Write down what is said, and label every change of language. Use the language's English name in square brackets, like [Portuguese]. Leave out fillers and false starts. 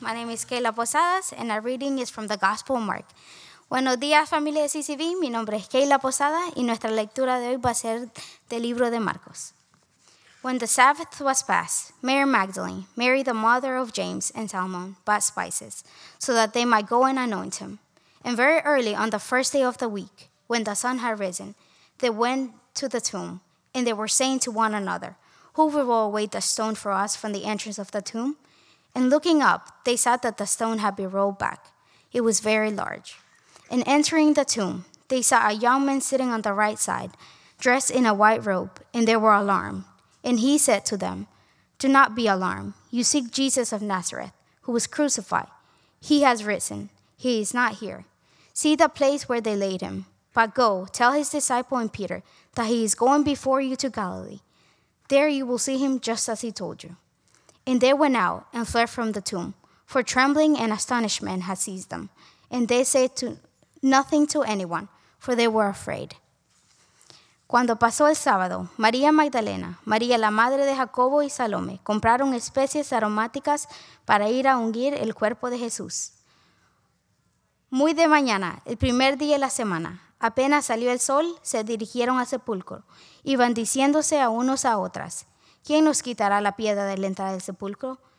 [English] My name is Kayla Posadas, and our reading is from the Gospel of Mark. [Spanish] Buenos días, familia de CCV. Mi nombre es Kayla Posada, y nuestra lectura de hoy va a ser del libro de Marcos. [English] When the Sabbath was passed, Mary Magdalene, Mary the mother of James and Salmon, bought spices, so that they might go and anoint him. And very early on the first day of the week, when the sun had risen, they went to the tomb, and they were saying to one another, "Who will away the stone for us from the entrance of the tomb?" And looking up, they saw that the stone had been rolled back. It was very large. And entering the tomb, they saw a young man sitting on the right side, dressed in a white robe, and they were alarmed. And he said to them, "Do not be alarmed. You seek Jesus of Nazareth, who was crucified. He has risen. He is not here. See the place where they laid him. But go, tell his disciple and Peter that he is going before you to Galilee. There you will see him just as he told you." And they went out and fled from the tomb, for trembling and astonishment had seized them. And they said nothing to anyone, for they were afraid. [Spanish] Cuando pasó el sábado, María Magdalena, María la madre de Jacobo y Salomé, compraron especies aromáticas para ir a ungir el cuerpo de Jesús. Muy de mañana, el primer día de la semana, apenas salió el sol, se dirigieron al sepulcro, iban diciéndose a unos a otras, "¿Quién nos quitará la piedra de la entrada del sepulcro?"